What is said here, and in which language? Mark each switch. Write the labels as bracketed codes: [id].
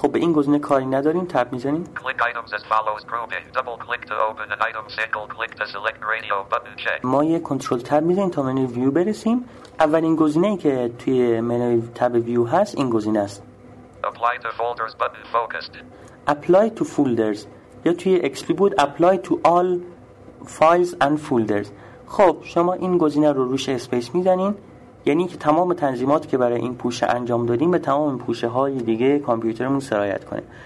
[fa] خب به این گزینه کاری نداریم، tab میزنیم. [en] Click items as follows. Group in. Double click to open an item. Single click to select radio button. Check. [fa] ما یه control tab میزنیم تا منوی view برسیم. اولین گزینه ای که توی منوی tab view هست این گزینه است. [en] Apply to folders button focused. Apply to folders. [fa] یا توی [en] exclude [fa] بود [en] apply to all files and folders. [fa] خب شما این گزینه رو روش اسپیس میزنین، یعنی که تمام تنظیماتی که برای این پوشه انجام دادیم به تمام این پوشه های دیگه کامپیوترمون سرایت کنه.